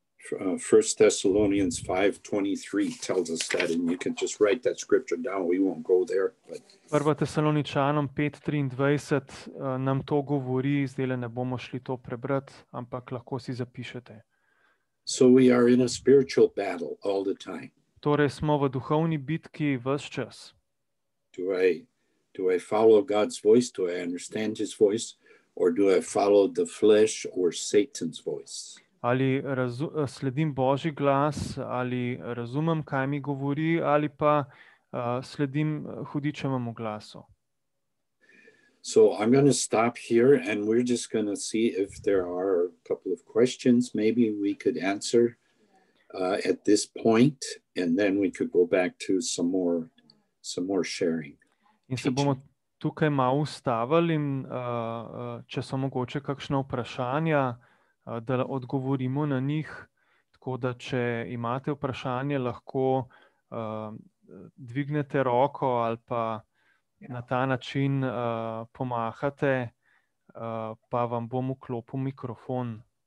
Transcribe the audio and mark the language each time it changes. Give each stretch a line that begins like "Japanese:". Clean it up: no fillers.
English: 1 Thessalonians 5:23 tells us that, and you can just write that scripture down, we won't go there.
Slovenian: 1 Tesaloničanom 5:23 nam to govori, zdaj ne bomo šli to prebrati, ampak lahko si zapišete.
English: So we are in a spiritual battle all the time.
Slovenian: Torej smo v duhovni bitki ves čas.
English: Do I follow God's voice? Do I understand His voice? Or do I follow the flesh or Satan's voice?
Slovenian: Ali sledim Božji glas, ali razumem, kaj mi govori, ali pa sledim hudičevemu glasu.
English: So I'm going to stop here and we're just going to see if there are a couple of questions maybe we could answer at this point, and then we could go back to some more sharing.
Slovenian: In se bomo tukaj malo ustavili in če so mogoče kakšna vprašanja, da odgovorimo na njih, tako da če imate vprašanje, lahko dvignete roko ali pa na ta način pomahate, pa vam bom vklopil mikrofon.